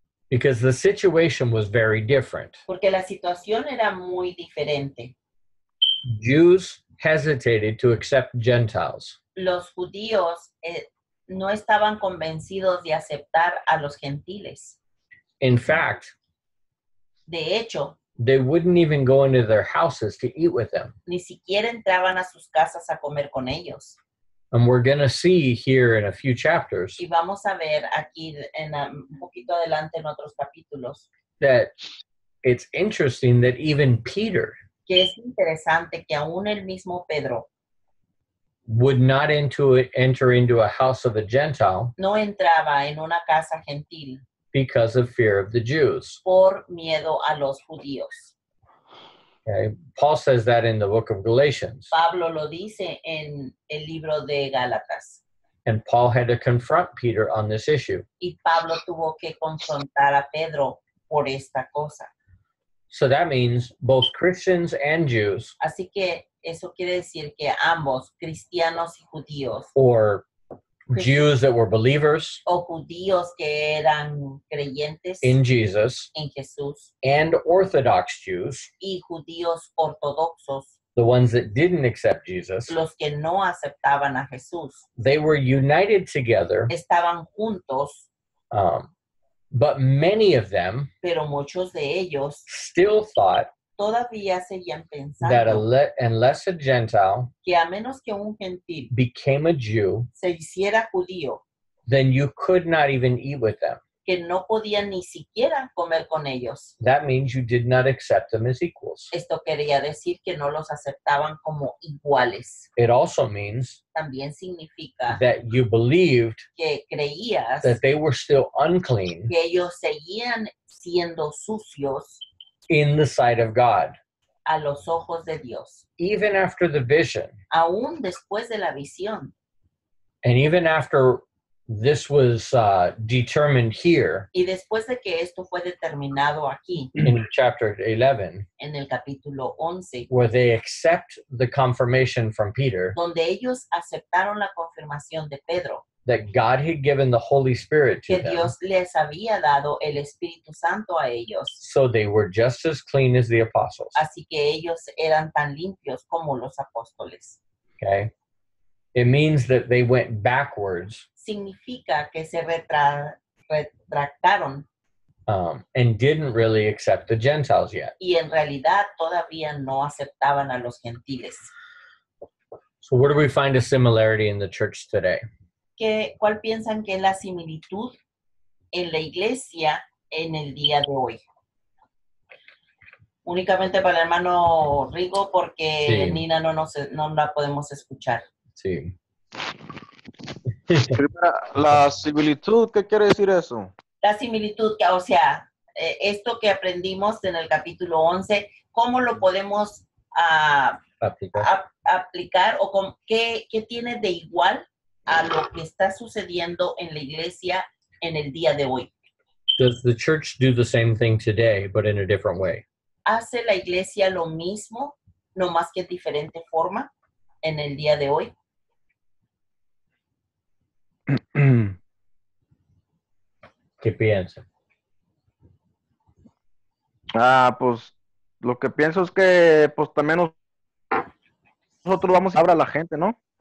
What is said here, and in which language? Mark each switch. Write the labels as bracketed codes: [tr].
[en] Because the situation was very different. [es] Porque la situación era muy diferente. [en] Jews hesitated to accept Gentiles. [es] Los judíos no estaban convencidos de aceptar a los gentiles. [en] In fact, [es] de hecho, [en] they wouldn't even go into their houses to eat with them. [es] Ni siquiera entraban a sus casas a comer con ellos. [en] And we're going to see here in a few chapters. [es] Y vamos a ver aquí en un poquito adelante en otros capítulos. [en] That it's interesting that even Peter. [es] Que es interesante que aún el mismo Pedro [en] would not enter into a house of a Gentile [es] no entraba en una casa gentil [en] because of fear of the Jews. [es] Por miedo a los judíos. [en] Okay. Paul says that in the book of Galatians. [es] Pablo lo dice en el libro de Gálatas. [en] And Paul had to confront Peter on this issue. [es] Y Pablo tuvo que confrontar a Pedro por esta cosa. [en] So that means both Christians and Jews. [es] Así que eso quiere decir que ambos, cristianos y judíos. [en] Or Jews that were believers. [es] O judíos que eran creyentes. [en] In Jesus. [es] En Jesús. [en] And Orthodox Jews. [es] Y judíos ortodoxos. [en] The ones that didn't accept Jesus. [es] Los que no aceptaban a Jesús. [en] They were united together. [es] Estaban juntos. [en] But many of them. [es] Pero muchos de ellos. [en] Still thought. [es] Todavía seguían pensando. [en] That unless a Gentile. [es] Que a menos que un gentil. [en] Became a Jew. [es] Se hiciera judío. [en] Then you could not even eat with them. [es] Que no podían ni siquiera comer con ellos. [en] That means you did not accept them as equals. [es] Esto quería decir que no los aceptaban como iguales. [en] It also means. [es] También significa. [en] That you believed. [es] Que creías. [en] That they were still unclean. [es] Que ellos seguían siendo sucios. [en] In the sight of God. [es] A los ojos de Dios. [en] Even after the vision. [es] Aún después de la visión. [en] And even after. This was determined here. [es] Y después de que esto fue determinado aquí. [en] In chapter 11. [es] En el capítulo 11. [en] Where they accept the confirmation from Peter. [es] Donde ellos aceptaron la confirmación de Pedro. [en] That God had given the Holy Spirit to them. [es] Que Dios les había dado el Espíritu Santo a ellos. [en] So they were just as clean as the apostles. [es] Así que ellos eran tan limpios como los apóstoles. [en] Okay. It means that they went backwards. [es] Significa que se retractaron. [en] And didn't really accept the Gentiles yet. [es] Y en realidad todavía no aceptaban a los gentiles. [en] So where do we find a similarity in the church today? [es] ¿Cuál piensan que es la similitud en la iglesia en el día de hoy? Únicamente para el hermano Rigo, porque sí. Nina no la podemos escuchar. Sí. Primera, la similitud, ¿qué quiere decir eso? La similitud, que, o sea, esto que aprendimos en el capítulo 11, ¿cómo lo podemos aplicar? ¿O qué tiene de igual a lo que está sucediendo en la iglesia en el día de hoy? [en] Does the church do the same thing today, but in a different way? [es] ¿Hace la iglesia lo mismo, no más que en diferente forma, en el día de hoy? ¿Qué piensa? Ah, pues lo que pienso es que pues también nosotros vamos a hablar a la gente, ¿no?